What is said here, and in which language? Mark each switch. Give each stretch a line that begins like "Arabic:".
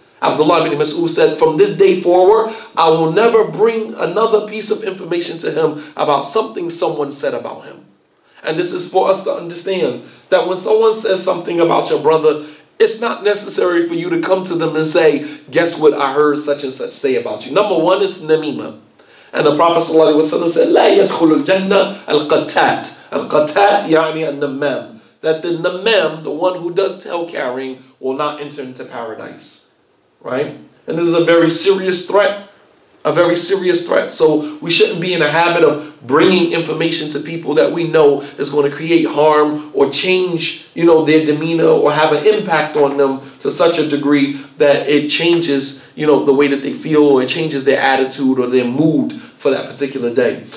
English: Abdullah ibn Mas'ud said, from this day forward, I will never bring another piece of information to him about something someone said about him. And this is for us to understand that when someone says something about your brother, it's not necessary for you to come to them and say, guess what I heard such and such say about you. Number one, it's namima.
Arabic: And the Prophet ﷺ said, لَا يَدْخُلُ الْجَنَّةَ الْقَتَّاتِ الْقَتَّاتِ يَعْنِي النَّمَّامِ.
English: That the namam, the one who does tale carrying, will not enter into paradise. Right? And this is a very serious threat. A very serious threat. So we shouldn't be in the habit of bringing information to people that we know is going to create harm or change, you know, their demeanor or have an impact on them to such a degree that it changes, you know, the way that they feel or it changes their attitude or their mood for that particular day.